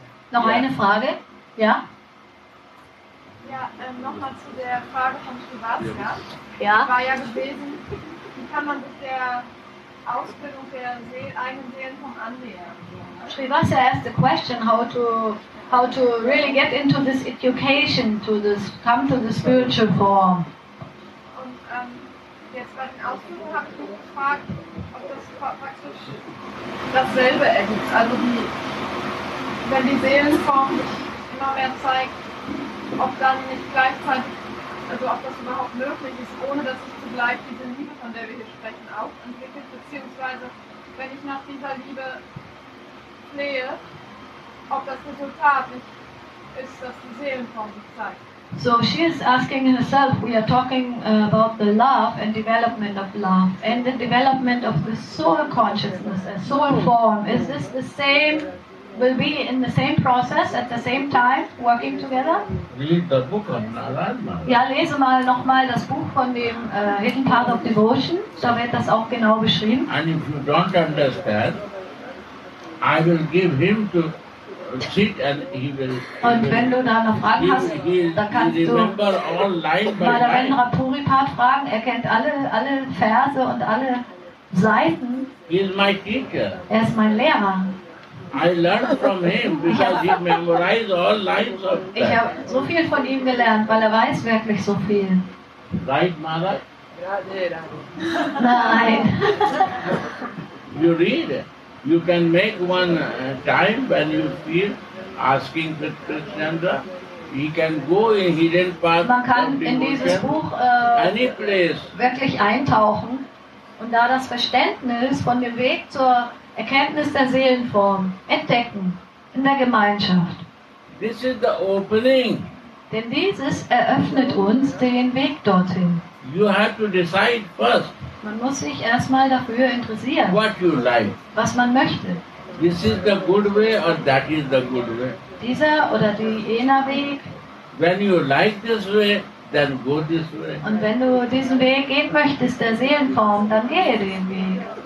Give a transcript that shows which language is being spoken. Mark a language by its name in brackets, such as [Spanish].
[German] Noch eine Frage? Ja? Ja, nochmal zu der Frage von Srivatsa. Ja? War ja gewesen, wie kann man sich der Ausbildung der eigenen Seelenform annähern? [English] Srivatsa asked the question, how to really get into this education, to this, come to the spiritual form. [German] Und jetzt bei den Ausbildungen habe ich mich gefragt, ob das praktisch dasselbe ist. Also wie, wenn die Seelenform sich immer mehr zeigt, ob dann nicht gleichzeitig, also ob das überhaupt möglich ist, ohne dass ich zugleich diese Liebe, von der wir hier sprechen, auch entwickelt, beziehungsweise wenn ich nach dieser Liebe flehe, ob das Resultat nicht ist, dass die Seelenform sich zeigt. [English] So she is asking herself, we are talking about the love and development of love and the development of the soul consciousness and soul form. Is this the same, will be in the same process at the same time working together? Read the book on Narayana. [German] Ja, lese mal nochmal das Buch von dem Hidden Path of Devotion. Da wird das auch genau beschrieben. [English] And if you don't understand, I will give him to sit and he will. [German] Und wenn du da noch Fragen hast, da kannst du Madhavendra Puripat fragen. Er kennt alle Verse und alle Seiten. [English] He is my teacher. [German] Er ist mein Lehrer. [English] I learned from him because he memorized all lines of [German] that. Ich habe so viel von ihm gelernt, weil er weiß wirklich so viel. [English] Right, Mara? [German] Nein. [English] You read. You can make one time when you feel asking for Krishna. He can go in hidden path. [German] Man kann in dieses Buch [English] any place. [German] Wirklich eintauchen und da das Verständnis von dem Weg zur Erkenntnis der Seelenform entdecken in der Gemeinschaft. [English] This is the opening. [German] Denn dieses eröffnet uns den Weg dorthin. [English] You have to decide first. [German] Man muss sich erstmal dafür interessieren. [English] What you like. [German] Was man möchte. [English] This is the good way or that is the good way. [German] Dieser oder die jener Weg. [English] When you like this way, then go this way. [German] Und wenn du diesen Weg gehen möchtest, der Seelenform, dann gehe den Weg.